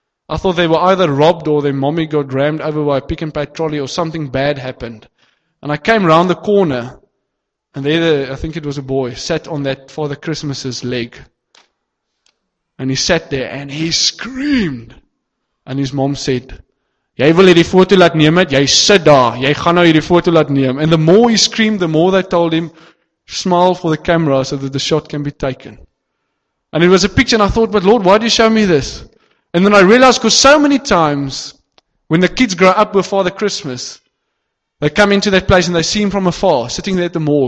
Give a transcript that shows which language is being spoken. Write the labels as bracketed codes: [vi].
[en] I thought they were either robbed or their mommy got rammed over by a Pick and Pay trolley or something bad happened. And I came round the corner and there, I think it was a boy, sat on that Father Christmas's leg. And he sat there and he screamed. And his mom said, [af] jy wil hierdie foto laat neem het, jy sit daar, jy gaan nou hierdie foto laat neem. [en] And the more he screamed, the more they told him, smile for the camera so that the shot can be taken. And it was a picture and I thought, but Lord, why do you show me this? And then I realized, because so many times when the kids grow up with Father Christmas, they come into that place and they see him from afar, sitting there at the mall.